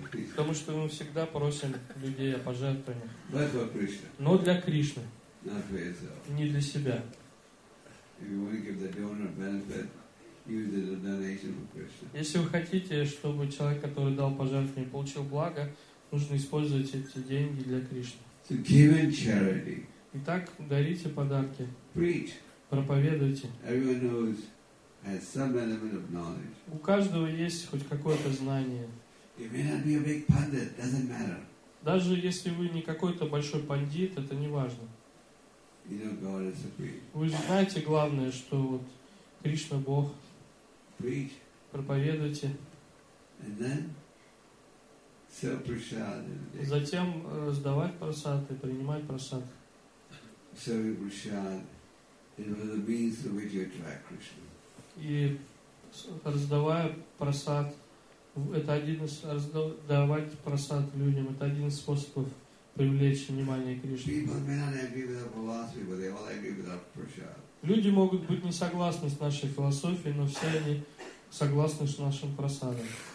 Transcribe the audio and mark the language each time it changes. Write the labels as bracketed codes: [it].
[ru] Потому что мы всегда просим людей о пожертвованиях. Но для Кришны. [en] Not for yourself. [ru] Не для себя. [en] If you want to give the donor benefit, use it as a donation for Krishna. [ru] Если вы хотите, чтобы человек, который дал пожертвование, получил благо, нужно использовать эти деньги для Кришны. [en] So give in charity. [ru] Итак, дарите подарки. [en] Preach. [ru] Проповедуйте. [en] Everyone knows has some element of knowledge. [ru] У каждого есть хоть какое-то знание. [en] You may not be a big pundit, doesn't matter. [ru] Даже если вы не какой-то большой пандит, это не важно. [en] You know, God is supreme. [ru] Вы знаете главное, что вот Кришна Бог. [en] Preach. [ru] Проповедуйте. [en] And then sell prasad. [ru] Затем раздавать прасад и принимать прасад. [en] Selling prasad. It was the means through which you attract Krishna. [ru] И раздавая прасад, это один из давать прасад людям, это один из способов привлечь внимание Кришны. [en] People may not agree with our philosophy, but they all agree with our prasad. [ru] Люди могут быть не согласны с нашей философией, но все они согласны с нашим прасадом.